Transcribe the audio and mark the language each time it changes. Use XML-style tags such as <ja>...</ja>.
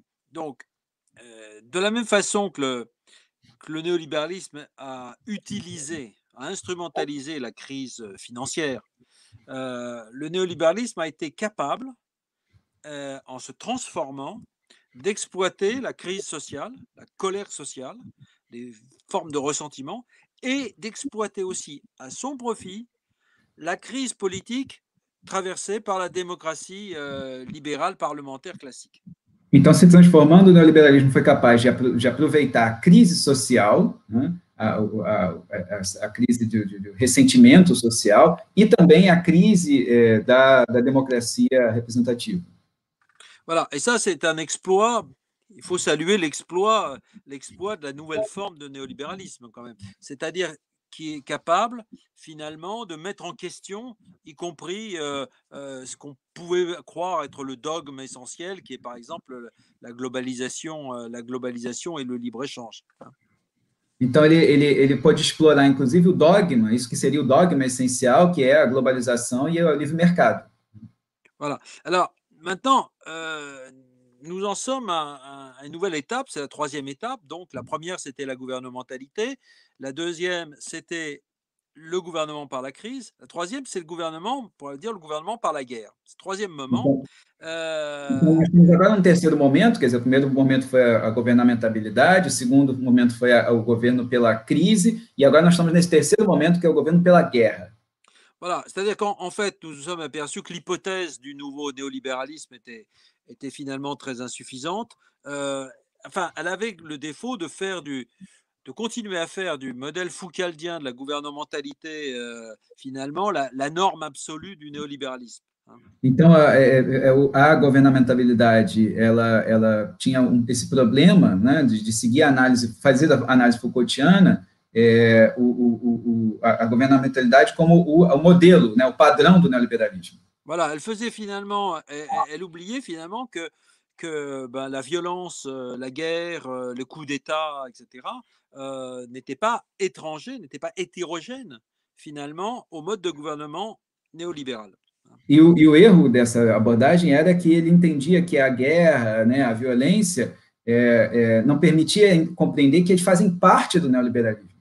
<fr>Donc, de la même façon que le néolibéralisme a utilisé, a instrumentalisé la crise financière, le néolibéralisme a été capable, en se transformant, d'exploiter la crise sociale, la colère sociale, les formes de ressentiment, et d'exploiter aussi à son profit la crise politique traversée par la démocratie libérale parlementaire classique.</fr> <pt>Então, se transformando, o neoliberalismo foi capaz de aproveitar a crise social, né, a crise de ressentimento social, e também a crise da democracia representativa.</pt> <fr>Voilà, et ça c'est un exploit. Il faut saluer l'exploit de la nouvelle forme de néolibéralisme, quand même. C'est-à-dire qui est capable, finalement, de mettre en question, y compris ce qu'on pouvait croire être le dogme essentiel, qui est, par exemple, la globalisation et le libre-échange.</fr> <pt>Então, ele pode explorar, inclusive, o dogma, isso que seria o dogma essencial, que é a globalização e o livre mercado.</pt> <fr>Voilà. Alors, maintenant... nous en sommes à une nouvelle étape, c'est la troisième étape. Donc, la première, c'était la gouvernementalité. La deuxième, c'était le gouvernement par la crise. La troisième, c'est le gouvernement, on pourrait dire, le gouvernement par la guerre. C'est le troisième moment.</fr> <pt>Agora, no terceiro momento, quer dizer, o primeiro momento foi a governamentabilidade, o segundo momento foi o governo pela crise, e agora nós estamos nesse terceiro momento, que é o governo pela guerra.</pt> <fr>Voilà, c'est-à-dire qu'en fait, nous nous sommes aperçus que l'hypothèse du nouveau néolibéralisme était finalement très insuffisante. Elle avait le défaut de continuer à faire du modèle foucauldien de la gouvernementalité, finalement, la norme absolue du néolibéralisme.</fr> <pt>Então, a governamentabilidade, ela tinha esse problema, né, de seguir a análise, fazer a análise foucauldiana, a governamentalidade como o modelo, né, o padrão do neoliberalismo.</pt> <fr>Voilà, elle faisait finalement, elle oubliait finalement que la violence, la guerre, le coup d'État, etc., n'étaient pas étrangers, n'étaient pas hétérogènes finalement au mode de gouvernement néolibéral. Et le</fr> <pt>erro dessa abordagem era que ele entendia que a guerra, né, a violência, não permitia compreender que eles fazem parte do neoliberalismo.</pt>